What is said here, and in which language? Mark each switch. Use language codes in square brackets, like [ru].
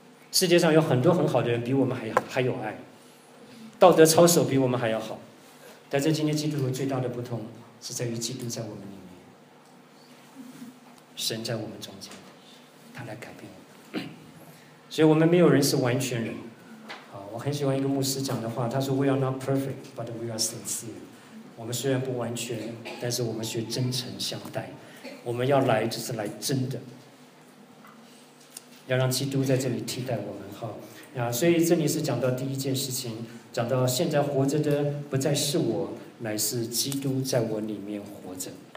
[zh] 世界上有很多很好的人比我们还有爱，道德操守比我们还要好，但在今天基督徒最大的不同是在于基督在我们里面，神在我们中间，他来改变我们。所以我们没有人是完全人。我很喜欢一个牧师讲的话，他说 [en] We are not perfect but we are sincere。 [zh] 我们虽然不完全，但是我们却真诚相待，我们要来就是来真的，要让基督在这里替代我们。好，所以这里是讲到第一件事情，讲到现在活着的不再是我，乃是基督在我里面活着。